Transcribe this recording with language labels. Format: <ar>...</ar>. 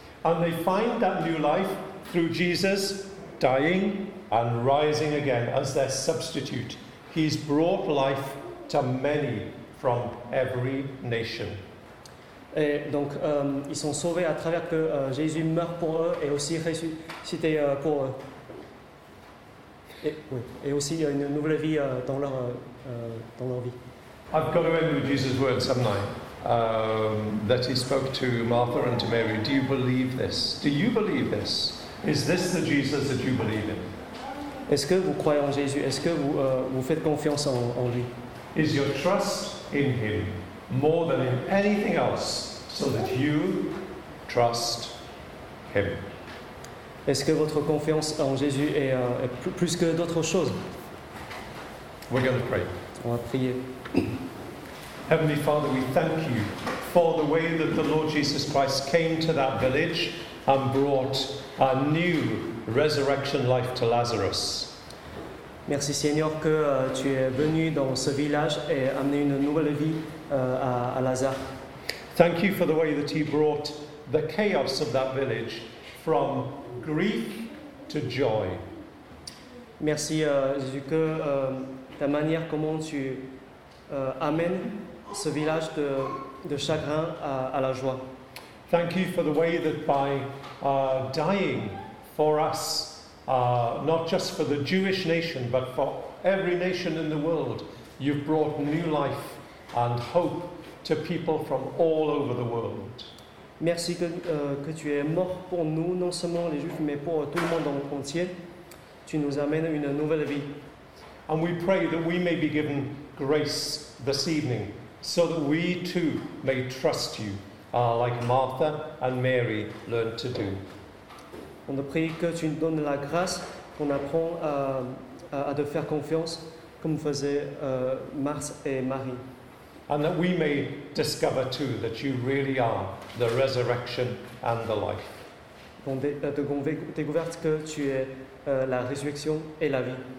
<en>And they find that new life through Jesus dying and rising again as their substitute. He's brought life to many from every nation.</en> <fr>Et donc ils sont sauvés à travers que Jésus meurt pour eux et aussi ressuscité pour eux. Et aussi il y a une nouvelle vie dans leur vie.</fr> <en>I've got to end with Jesus' words, haven't I? That he spoke to Martha and to Mary. Do you believe this? Do you believe this? Is this the Jesus that you believe in?</en> <fr>Est-ce que vous croyez en Jésus? Est-ce que vous faites confiance en lui?</fr> <en>Is your trust in him more than in anything else so that you trust him?</en> <fr>Est-ce que votre confiance en Jésus est plus que d'autres choses?</fr> <en>We're going to pray.</en> <fr>On va prier.</fr> <en>Heavenly Father, we thank you for the way that the Lord Jesus Christ came to that village and brought a new resurrection life to Lazarus.</en> <fr>Merci Seigneur que tu es venu dans ce village et amené une nouvelle vie à Lazare.</fr> <en>Thank you for the way that he brought the chaos of that village from grief to joy.</en> <fr>Merci Jésus que ta manière comment tu amène ce village de chagrin à la joie.</fr> <en>Thank you for the way that by dying for us, not just for the Jewish nation, but for every nation in the world, you've brought new life and hope to people from all over the world.</en> <fr>Merci que tu es mort pour nous, non seulement les Juifs, mais pour tout le monde dans le monde entier. Tu nous amènes une nouvelle vie.</fr> <en>And we pray that we may be given grace this evening, so that we too may trust you, like Martha and Mary learned to do.</en> <fr>On te prie que tu nous donnes la grâce qu'on apprend à te faire confiance, comme faisaient Marthe et Marie.</fr> <en>And that we may discover too that you really are the resurrection and the life.</en> <fr>On découvre que tu es la résurrection et la vie.</fr>